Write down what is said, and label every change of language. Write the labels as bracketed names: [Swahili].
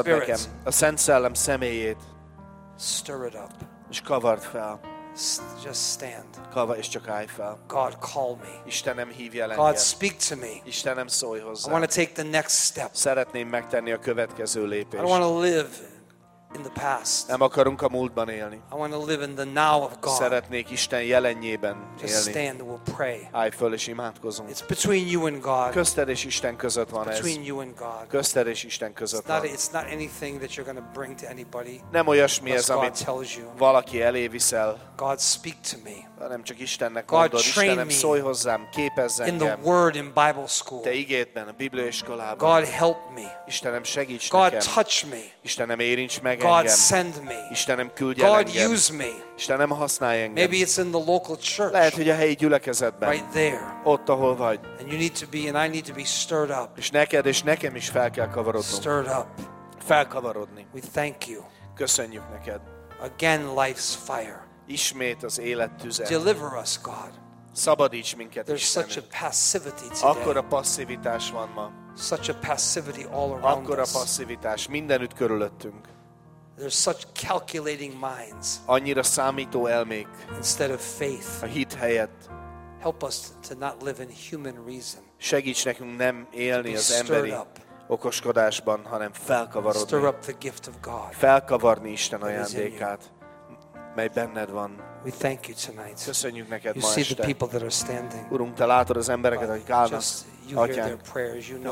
[English] Spirit [Hungarian] nekem a Szent Szellem személyét. [English] Stir it up. [Hungarian] És kavarj fel. [English] Just stand. [Hungarian] Kavarj, és csak állj fel. [English] God call me. [Hungarian] Istenem hívj el engem. [English] God speak to me. [Hungarian] Istenem szólj hozzám. [English] I want to take the next step. [Hungarian] Szeretném megtenni a következő lépést. [English] I don't want to live in the past. [Hungarian] Nem akarunk a múltban élni. [English] I want to live in the now of God. [Hungarian] Szeretnék Isten jelenjében élni. [English] Just stand, we'll pray. [Hungarian] Állj fel és imádkozunk. [English] It's between you and God. [Hungarian] Közted és Isten között van ez. [English] Between you and God. [Hungarian] Közted és Isten között van. [English] It's not anything that you're going to bring to anybody. [Hungarian] Nem olyasmi ez, amit valaki elé viszel. [English] God speak to me. [Hungarian] Nem csak Istennek mondod, Istenem szólj hozzám, képezz engem. [English] In the word in Bible school. [Hungarian] Te igédben, a Bibliaiskolában. [English] God help me. [Hungarian] Istenem segíts nekem. [English] God touch me. [Hungarian] Istenem érints meg engem. [English] God send me. [Hungarian] Istenem küldj el [English] God [Hungarian] engem. [English] Use me. [Hungarian] Istenem használj engem. [English] Maybe it's in the local church. [Hungarian] Lehet, hogy a helyi gyülekezetben. [English] Right there. [Hungarian] Ott, ahol vagy. [English] And you need to be and I need to be stirred up. [Hungarian] És neked és nekem is fel kell kavarodnunk. [English] Stirred up. [Hungarian] Felkavarodni. [English] We thank you. [Hungarian] Köszönjük neked. [English] Again life's fire. [Hungarian] Ismét az élet tüze. [English] Deliver us, God. [Hungarian] Szabadíts minket, [English] there's [Hungarian] Istenem. [English] Such a passivity today. [Hungarian] Akkora passzivitás van ma. [English] Such a passivity all around us. [Hungarian] Akkora passzivitás mindenütt körülöttünk. [English] There's such calculating minds. [Hungarian] Annyira számító elmék. [English] Instead of faith. [Hungarian] A hit helyett. [English] Help us to not live in human reason. [Hungarian] Segíts nekünk nem élni [English] to [Hungarian] az emberi okoskodásban, hanem felkavarodni. [English] Stir up the gift of God. [Hungarian] Felkavarni Isten ajándékát, mely benned van. [English] We thank you tonight. [Hungarian] Köszönjük neked [English] you [Hungarian] ma [English] see [Hungarian] este. [English] The people that are standing. [Hungarian] Urunk, te látod az embereket, akik állnak. [English] You hear their prayers, you know